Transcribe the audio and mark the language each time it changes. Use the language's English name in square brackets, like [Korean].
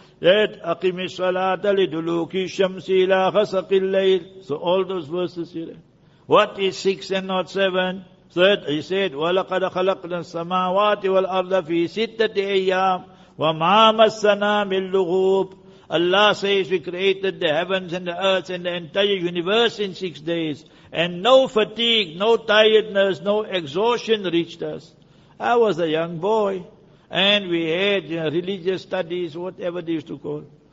[English] That [Arabic] أقم الصلاة لدلوك الشمس إلى غسق الليل. [English] So all those verses here. What is six and not seven? Third, he said, [Arabic] وَلَقَدْ خَلَقْنَا السَّمَاوَاتِ وَالْأَرْضَ فِي سِتَّةِ أَيَّامٍ وَمَا مَسَّنَا مِنْ لُغُوبٍ. [English] Allah says, we created the heavens and the earth and the entire universe in 6 days, and no fatigue, no tiredness, no exhaustion reached us. I was a young boy. And we had, you know, religious studies, whatever they used to call.